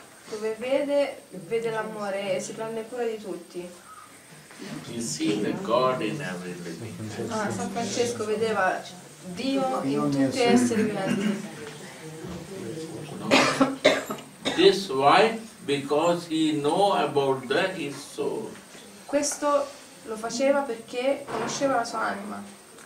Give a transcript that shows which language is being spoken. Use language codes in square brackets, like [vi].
[it] Vede l'amore e si prende cura di tutti. [en] You see the God in every living thing. [it] Ah, San Francesco vedeva Dio in tutti gli esseri viventi. [en] This why? Because he know about that his soul. [it] Questo lo faceva perché conosceva la sua anima.